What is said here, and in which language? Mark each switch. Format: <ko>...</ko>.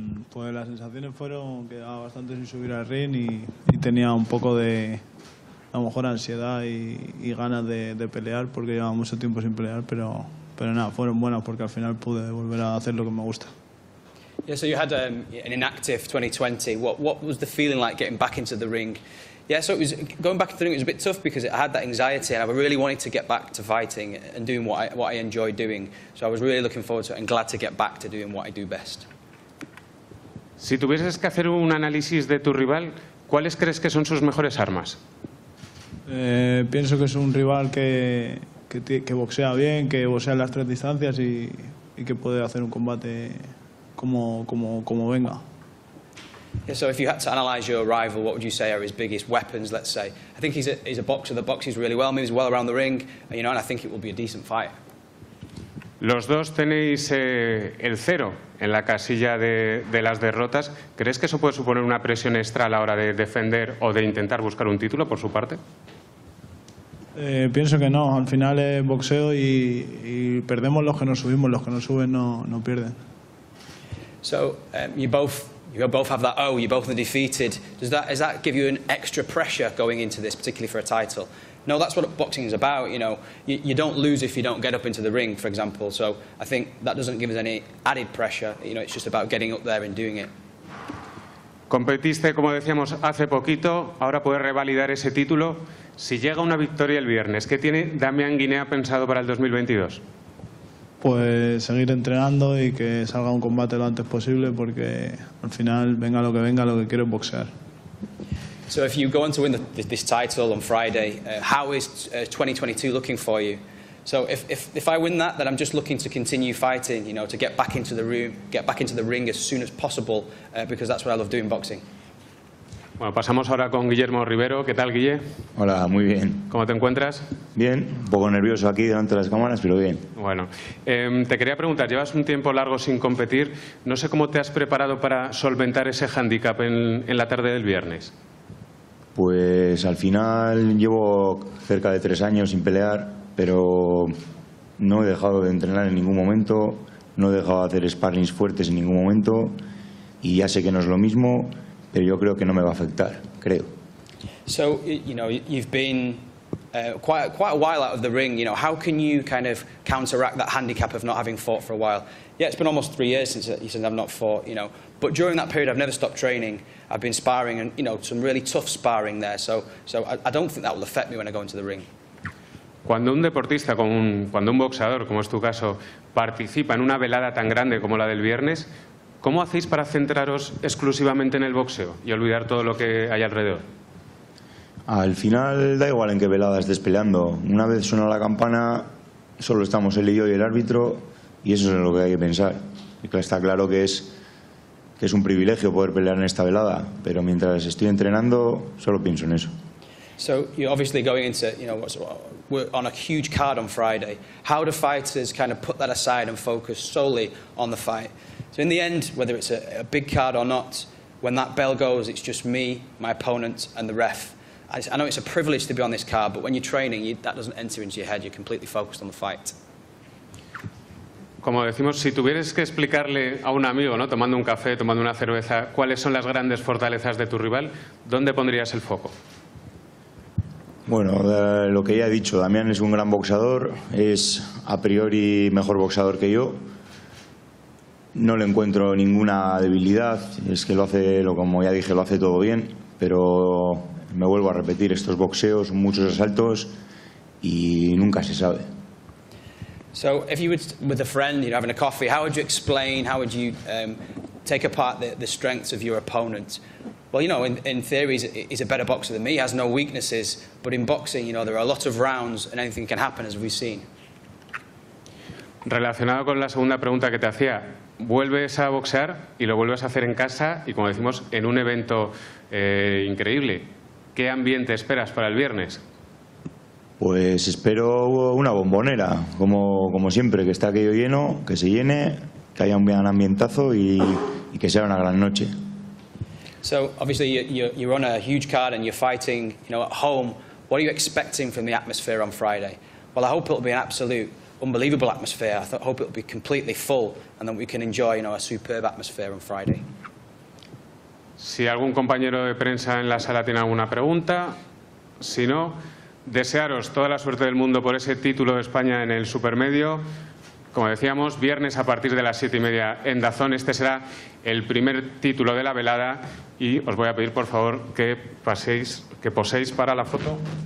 <es>Pues las sensaciones fueron que quedaba bastante sin subir al ring y tenía un poco de... A lo mejor ansiedad y ganas de pelear, porque llevaba mucho tiempo sin pelear, pero nada, fueron buenas porque al final pude volver a hacer lo que me gusta.</es> <en>Yeah, so you had an inactive 2020. What was the feeling like getting back into the ring? Yeah, so it was going back into the ring, it was a bit tough because I had that anxiety and I really wanted to get back to fighting and doing what I enjoy doing. So I was really looking forward to it and glad to get back to doing what I do best.</en> <es>Si tuvieses que hacer un análisis de tu rival, ¿cuáles crees que son sus mejores armas? Pienso que es un rival que boxea bien, que boxea las tres distancias y que puede hacer un combate como venga.</es> <en>Yeah, so if you had to analyze your rival, what would you say are his biggest weapons, let's say? I think he's a boxer that boxes really well, moves well around the ring, you know, and I think it will be a decent fight.</en> <es>Los dos tenéis el cero en la casilla de las derrotas. ¿Crees que eso puede suponer una presión extra a la hora de defender o de intentar buscar un título por su parte? Pienso que no, al final es boxeo y perdemos los que nos subimos, los que nos suben no pierden.</es> <en>So you both have that you both are defeated. Does that give you an extra pressure going into this, particularly for a title? No, that's what boxing is about, you know. You don't lose if you don't get up into the ring, for example. So I think that doesn't give us any added pressure. You know, it's just about getting up there and doing it.</en> <es>Competiste, como decíamos, hace poquito. Ahora puedes revalidar ese título. Si llega una victoria el viernes, ¿qué tiene Damián Guinea pensado para el 2022? Pues seguir entrenando y que salga un combate lo antes posible, porque al final, venga, lo que quiero es boxear.</es> <en>So if you go on to win this title on Friday, how is 2022 looking for you? So if I win that, then I'm just looking to continue fighting, you know, to get back into the ring as soon as possible, because that's what I love doing, boxing.</en> <es>Bueno, pasamos ahora con Guillermo Rivero. ¿Qué tal, Guille? Hola, muy bien. ¿Cómo te encuentras? Bien, un poco nervioso aquí delante de las cámaras, pero bien. Bueno, te quería preguntar, llevas un tiempo largo sin competir. No sé cómo te has preparado para solventar ese hándicap en la tarde del viernes. Pues al final llevo cerca de 3 años sin pelear, pero no he dejado de entrenar en ningún momento, no he dejado de hacer sparrings fuertes en ningún momento, y ya sé que no es lo mismo, pero yo creo que no me va a afectar, creo.</es> <en>So, you know, you've been quite a while out of the ring, you know, how can you kind of counteract that handicap of not having fought for a while? Yeah, it's been almost 3 years since I've not fought, you know, but during that period I've never stopped training. I've been sparring and, you know, some really tough sparring there, so I don't think that will affect me when I go into the ring.</en> <es>Cuando un deportista, cuando un boxeador, como es tu caso, participa en una velada tan grande como la del viernes, ¿cómo hacéis para centraros exclusivamente en el boxeo y olvidar todo lo que hay alrededor? Al final da igual en qué velada estés peleando. Una vez suena la campana, solo estamos él y yo y el árbitro, y eso es lo que hay que pensar. Está claro que es un privilegio poder pelear en esta velada, pero mientras estoy entrenando, solo pienso en eso.</es> <en>So you're obviously going into, you know, we're on a huge card on Friday. How do fighters kind of put that aside and focus solely on the fight? So in the end, whether it's a big card or not, when that bell goes, it's just me, my opponent, and the ref. I know it's a privilege to be on this card, but when you're training, that doesn't enter into your head. You're completely focused on the fight.</en> <es>Como decimos, si tuvieras que explicarle a un amigo, ¿no?, tomando un café, tomando una cerveza, cuáles son las grandes fortalezas de tu rival, ¿dónde pondrías el foco? Bueno, lo que ya he dicho, Damián es un gran boxeador, es a priori mejor boxeador que yo. No le encuentro ninguna debilidad, es que lo hace, como ya dije, lo hace todo bien, pero me vuelvo a repetir, estos boxeos, muchos asaltos y nunca se sabe.</es> <en>So, if you were with a friend, you know, having a coffee, how would you explain, how would you take apart the strengths of your opponent? Well, you know, in theory, he's a better boxer than me, he has no weaknesses, but in boxing, you know, there are a lot of rounds and anything can happen, as we've seen.</en> <es>Relacionado con la segunda pregunta que te hacía, vuelves a boxear y lo vuelves a hacer en casa y, como decimos, en un evento increíble. ¿Qué ambiente esperas para el viernes? Pues espero una bombonera, como siempre, que está aquello lleno, que se llene, que haya un gran ambientazo y que sea una gran noche.</es> <en>So obviously you're on a huge card and you're fighting, you know, at home. What are you expecting from the atmosphere on Friday? Well, I hope it'll be an absolute unbelievable atmosphere. I hope it'll be completely full and then we can enjoy, you know, a superb atmosphere on Friday.</en> <es>Si algún compañero de prensa en la sala tiene alguna pregunta, si no, desearos toda la suerte del mundo por ese título de España en el supermedio. Como decíamos, viernes a partir de las 7:30 en DAZN. Este será el primer título de la velada y os voy a pedir, por favor, que paséis, que poséis para la foto.</es>